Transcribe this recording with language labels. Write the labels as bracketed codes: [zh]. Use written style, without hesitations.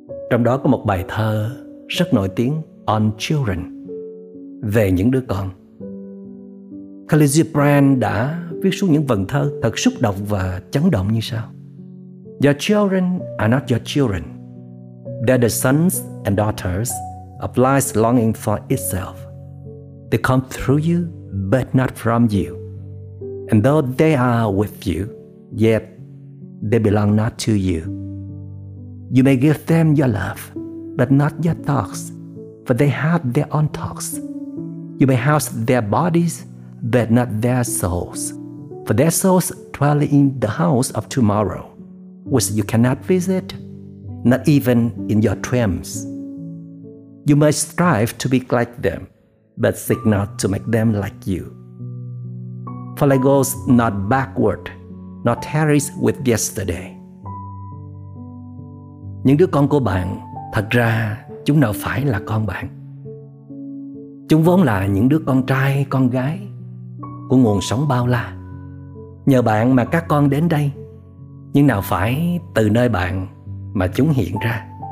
[vi] Trong đó có một bài thơ rất nổi tiếng, On Children, về những đứa con. Khaleesi Brand đã viết xuống những vần thơ thật xúc động và chấn động như sau: [en] Your children are not your children. They're the sons and daughters of life's longing for itself. They come through you, but not from you. And though they are with you, yet they belong not to you. You may give them your love, but not your thoughts, for they have their own thoughts. You may house their bodies, but not their souls, for their souls dwell in the house of tomorrow, which you cannot visit, not even in your dreams. You may strive to be like them, but seek not to make them like you. For life goes not backward, nor tarries with yesterday. [vi] Những đứa con của bạn, thật ra chúng nào phải là con bạn. Chúng vốn là những đứa con trai, con gái của nguồn sống bao la. Nhờ bạn mà các con đến đây, nhưng nào phải từ nơi bạn mà chúng hiện ra.